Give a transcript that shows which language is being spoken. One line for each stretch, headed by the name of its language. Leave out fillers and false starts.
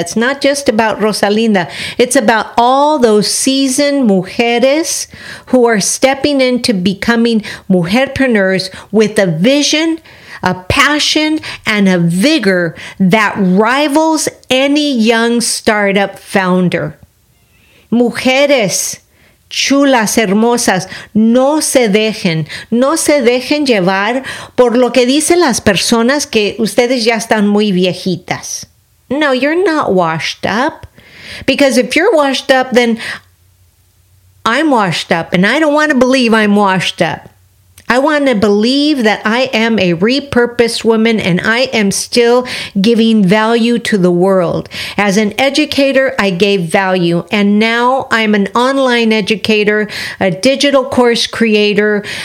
English: It's not just about Rosalinda. It's about all those seasoned mujeres who are stepping into becoming mujerpreneurs with a vision, a passion, and a vigor that rivals any young startup founder.
Spanish: Mujeres chulas, hermosas, no se dejen llevar por lo que dicen las personas que ustedes ya están muy viejitas.
English: No, you're not washed up. Because if you're washed up, then I'm washed up. And I don't want to believe I'm washed up. I want to believe that I am a repurposed woman and I am still giving value to the world. As an educator, I gave value. And now I'm an online educator, a digital course creator.